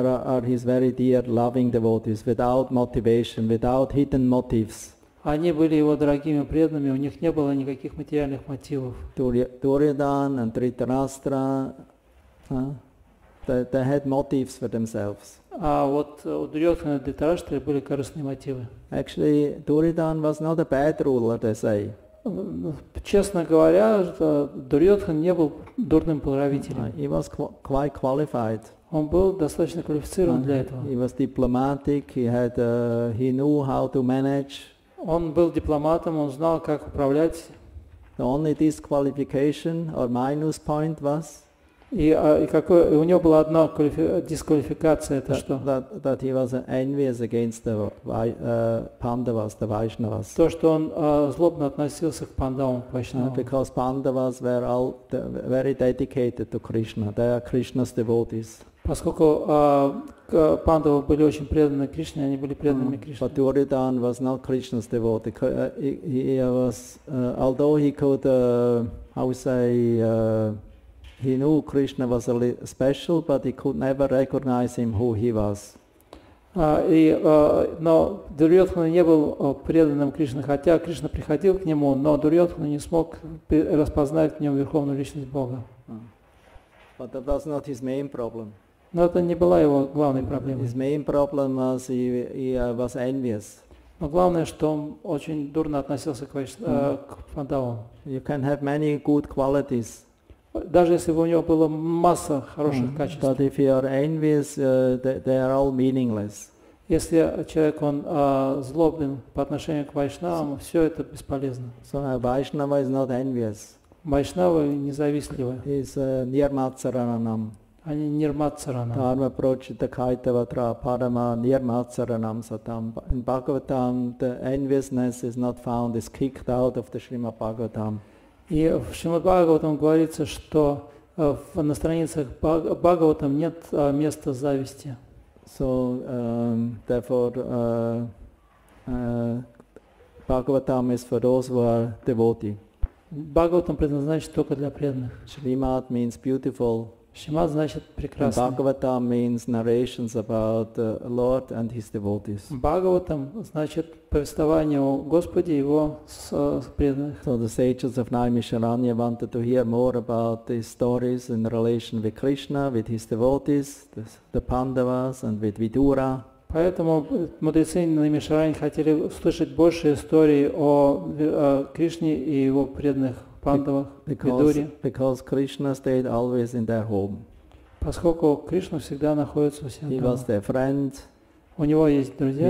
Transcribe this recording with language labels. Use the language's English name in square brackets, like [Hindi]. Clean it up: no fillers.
[English] They are his very dear, loving devotees, without motivation, without hidden motives. [Russian] Они были его дорогими преданными, у них не было никаких материальных мотивов. [English] Дуридан и Тритарастра, they had motives for themselves. [Russian] А вот у Дурьотхана и Тритарастры были корыстные мотивы. [English] Actually, Дуридан was not a bad ruler, they say. [Russian] Честно говоря, Дурьотхан не был дурным правителем. [English] He was quite qualified. [Russian] Он был достаточно квалифицирован для этого. [English] He was diplomatic, he knew how to manage. [Russian] Он был дипломатом, он знал, как управлять. [English] The only disqualification or minus point was. [Russian] И у него была одна дисквалификация, это что? [English] That he was envious against the Pandavas, the Vaishnavas. [Russian] То, что он злобно относился к Пандавам, к Вайшнавам. [English] Because Pandavas were all very dedicated to Krishna. They are Krishna's devotees. [Russian] Поскольку Пандавы были очень преданы Кришне, они были преданными Кришне. [English] But Duryodhan was not Krishna's devotee. He was, although he could, he knew Krishna was a special, but he could never recognize him who he was. [Russian] Но Дурьотхана не был преданным Кришне, хотя Кришна приходил к нему, но Дурьотхана не смог распознать в нем Верховную Личность Бога. [English] But that was not his main problem. [Russian] Но это не была его главной проблемой. [English] His main problem was he was envious. [Russian] Но главное, что он очень дурно относился к Пандавам. [English] You can have many good qualities. [Russian] Даже если бы у него было масса хороших качеств. [English] But if you are envious, they are all meaningless. [Russian] Если человек он злобен по отношению к Вайшнавам, все это бесполезно. [English] So a Vaishnava is not envious. [Russian] Вайшнава независтливая. [English] Is nirmatsaranam. [Russian] Они нирмацаранам. [Sanskrit] Дхарма прочита кайтаватра парама нирмацаранам сатам. [English] In Bhagavatam the enviousness is not found, is kicked out of the Srimad Bhagavatam. [Russian] И в Srimad Bhagavatam говорится, что на страницах Бхагаватам нет места зависти. [English] So, therefore, Bhagavatam is for those who are devotee. [Russian] Бхагаватам предназначен только для преданных. [English] Shrimad means beautiful. [Russian] Шримад значит прекрасный. [English] Бхагаватам means narrations about the Lord and his devotees. [Russian] Бхагаватам значит повествование о Господе и его преданных. [English] So the sages of Naimisharanya wanted to hear more about these stories in relation with Krishna, with his devotees, the Pandavas and with Vidura. [Russian] Поэтому мудрецы Наймишараньи хотели услышать больше историй о Кришне и его преданных. [English] Because Krishna stayed always in their home. [Russian] Поскольку Кришна всегда находится у себя дома. [English] He was their friend. [Russian] У него есть друзья.